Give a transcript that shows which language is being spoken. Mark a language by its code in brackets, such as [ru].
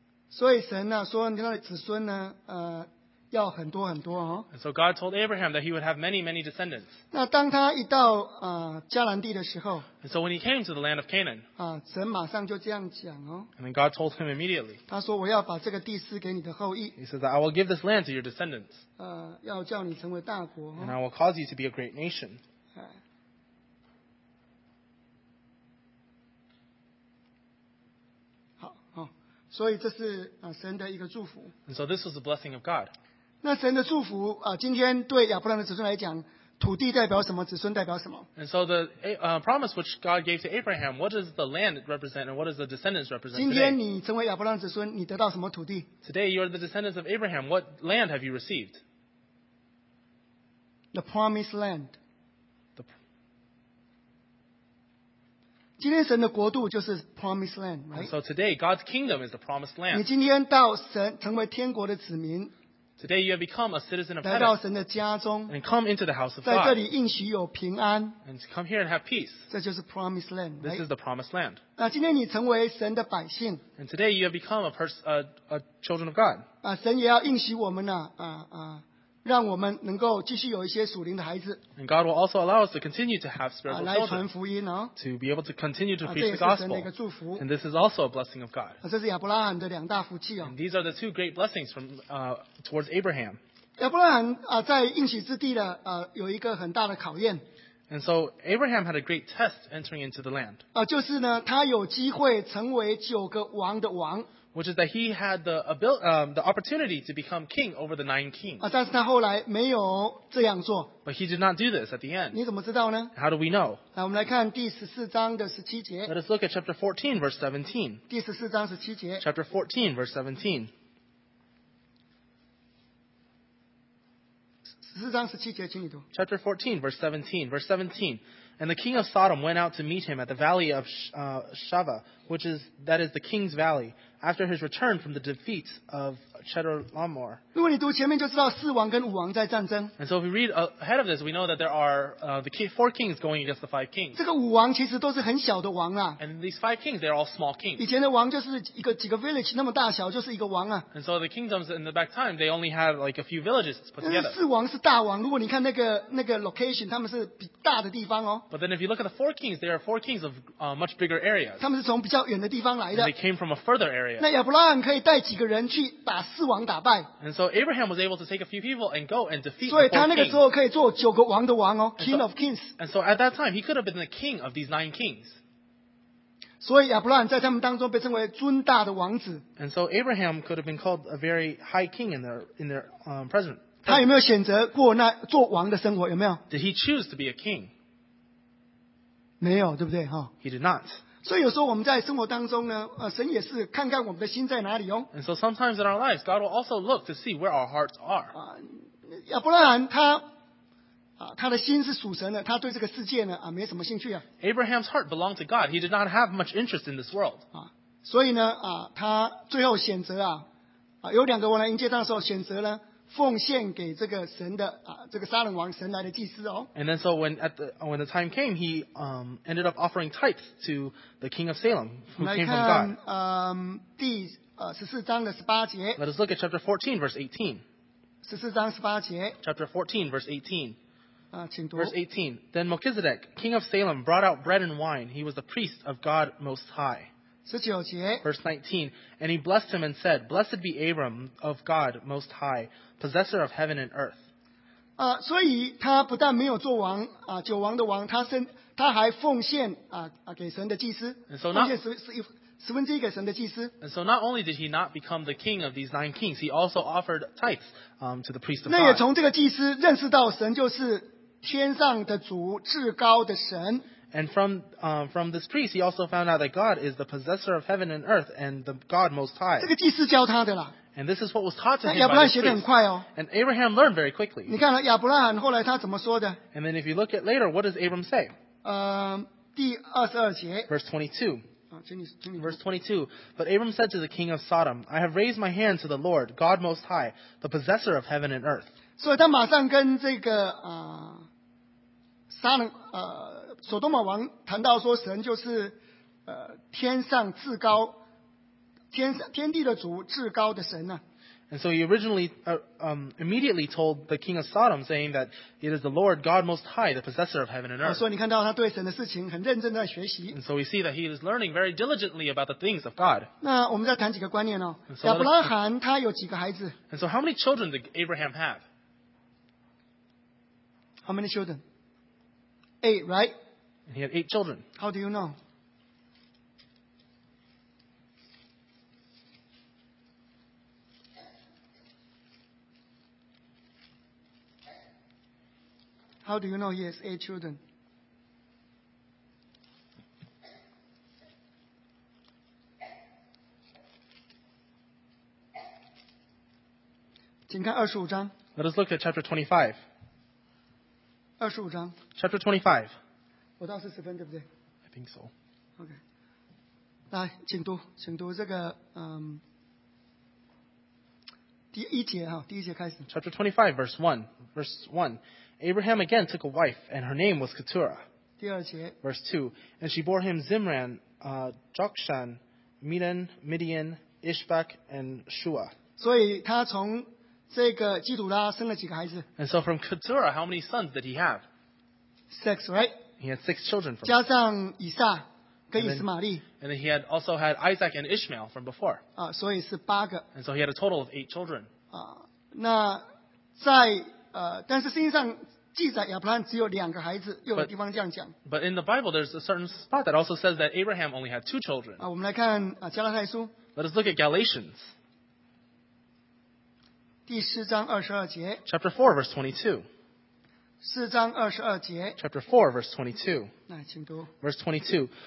[zh] 所以神呢说他的子孙呢要很多很多哦。 [en] And so God told Abraham that he would have many, many descendants. [zh] 那当他一到迦南地的时候 [en] And so when he came to the land of Canaan, [zh] 神马上就这样讲哦。 [en] And then God told him immediately. [zh] 他说我要把这个地赐给你的后裔。 [en] He says that I will give this land to your descendants. [zh] 要叫你成为大国。 [en] And I will cause you to be a great nation. [zh] 好，所以这是神的一个祝福。 [en] And so this was the blessing of God. [zh] 那神的祝福今天对亚伯兰的子孙来讲，土地代表什么？子孙代表什么 [en] ？And so the promise which God gave to Abraham, what does the land represent, and what does the descendants represent? [zh] 今天你成为亚伯兰子孙，你得到什么土地 [en] ？Today you are the descendants of Abraham. What land have you received? The promised land. [zh] 今天神的国度就是 [en] promised land, right? And so today God's kingdom is the promised land. [zh] 你今天到神成为天国的子民。 [en] Today you have become a citizen of heaven. [zh] 来到神的家中 [en] and come into the house of God. [zh] 在这里应许有平安 [en] and come here and have peace. [zh] 这就是 [en] promised land. This is the promised land. [zh] 那今天你成为神的百姓 [en] and today you have become a children of God. [zh] 神也要应许我们让我们能够继续有一些属灵的孩子 [en] and God will also allow us to continue to have spiritual children. [zh] 来传福音 [en] to be able to continue to preach the gospel. [zh] 这也是神的一个祝福 [en] and this is also a blessing of God. [zh] 这是亚伯拉罕的两大福气 [en] and these are the two great blessings from towards Abraham. [zh] 亚伯拉罕在应许之地的有一个很大的考验 [en] and so Abraham had a great test entering into the land. [zh] 就是呢，他有机会成为九个王的王。 [en] Which is that he had the opportunity to become king over the nine kings. [zh] 但是他后来没有这样做。 [en] But he did not do this at the end. [zh] 你怎么知道呢 [en] ？How do we know? [zh] 来，我们来看第十四章的十七节。 [en] Let us look at chapter 14, verse 17. [zh] 第十四章十七节。 [en] Chapter 14, verse 17. [zh] 十四章十七节，请你读。 [en] Chapter 14, verse 17, verse 17. And the king of Sodom went out to meet him at the valley of Shava, which is that is the king's valley. After his return from the defeat of Chedorlaomer, [zh] 如果你读前面就知道四王跟五王在战争。 [en] And so if we read ahead of this, we know that there are the four kings going against the five kings. [zh] 这个五王其实都是很小的王啊。 [en] And these five kings, they're all small kings. [zh] 以前的王就是一个几个 village 那么大小就是一个王啊。 [en] And so the kingdoms in the back time, they only had like a few villages put together. [zh] 四王是大王，如果你看那个 location, 他们是比大的地方哦。 [en] But then if you look at the four kings, they are four kings of much bigger areas. [zh] 他们是从比较远的地方来的。 [en] And they came from a further area. [zh] 那亚伯拉罕可以带几个人去把四王打败。 [en] And so Abraham was able to take a few people and go and defeat. [zh] 所以他那个时候可以做九个王的王哦 ， [en] King of Kings. And so at that time he could have been the king of these nine kings. [zh] 所以亚伯拉罕在他们当中被称为尊大的王子。 [en] And so Abraham could have been called a very high king in their presence. [zh] 他有没有选择过那做王的生活？有没有 [en] ？Did he choose to be a king? [zh] 没有，对不对？哈 [en] ？He did not. [zh] 所以有时候我们在生活当中呢，神也是看看我们的心在哪里哦。 [en] And so sometimes in our lives, God will also look to see where our hearts are. [zh] 亚伯拉罕他的心是属神的，他对这个世界呢没什么兴趣啊。 [en] Abraham's heart belonged to God. He did not have much interest in this world. [zh] 所以呢他最后选择有两个王来迎接他的时候选择呢。奉献给这个神的这个撒冷王神来的祭司哦。 [en] And then so when the time came, he ended up offering tithes to the king of Salem, who came from God. [zh] 来看第十四章的十八节。 [en] Let us look at chapter 14, verse 18. [zh] 十四章十八节。 [en] Chapter 14, verse 18. [zh] 请读。 [en] Verse 18. Then Melchizedek, king of Salem, brought out bread and wine. He was the priest of God Most High. Verse 19, and he blessed him and said, Blessed be Abram of God Most High, possessor of heaven and earth. [zh] 所以他不但没有做王九王的王，他还奉献给神的祭司，奉献十分之一给神的祭司。 [en] And so not only did he not become the king of these nine kings, he also offered tithes to the priest of God. [zh] 那也从这个祭司认识到神就是天上的主，至高的神。 [en] And from this priest, he also found out that God is the possessor of heaven and earth and the God Most High. [zh] 这个祭司教他的啦。 [en] And this is what was taught to him. [zh] 亚伯拉罕学得很快哦。 [en] And Abraham learned very quickly. [zh] 你看亚伯拉罕后来他怎么说的 [en] ？And then if you look at later, what does Abram say? [zh] 第二十二节。 [en] Verse 22. Verse 22. But Abram said to the king of Sodom, "I have raised my hand to the Lord, God Most High, the possessor of heaven and earth." [zh] 所以他马上跟这个撒冷所多玛王谈到说神就是天上至高天地的主至高的神啊。 [en] And so he originally, immediately told the king of Sodom, saying that it is the Lord God Most High, the possessor of heaven and earth. [zh] 所以你看到他对神的事情很认真地学习。 [en] And so we see that he is learning very diligently about the things of God. [zh] 那我们再谈几个观念哦。亚伯拉罕他有几个孩子？ [en] And so how many children did Abraham have? How many children? Eight, right? And he had eight children. How do you know? How do you know he has eight children? Let us look at chapter 25. [zh] 25章 [en] Chapter 25 [zh] 我到40分 对不对 [en] I think so [zh] OK 来请读这个 第一节开始 [en] Chapter 25 verse 1 Abraham again took a wife and her name was Keturah [zh] 第二节 [en] Verse 2 And she bore him Zimran, Jokshan, Midian, Ishbak, and Shua [zh] 所以他从这个基督拉生了几个孩子 [en] And so from Keturah how many sons did he have? Six, right? He had six children. [zh] 加上以撒跟以斯玛利。 [en] And then he had also had Isaac and Ishmael from before. [zh] 所以是八个。 [en] And so he had a total of eight children. [zh] 那在但是圣经上记载亚伯拉罕只有两个孩子，又有地方这样讲。 [en] But in the Bible, there's a certain spot that also says that Abraham only had two children. [zh] 我们来看加拉太书。 [en] Let us look at Galatians. [zh] 第十章22节。 [en] Chapter 4, verse 22. [zh] 4章22节 [en] Chapter 4, verse 22. Verse 22.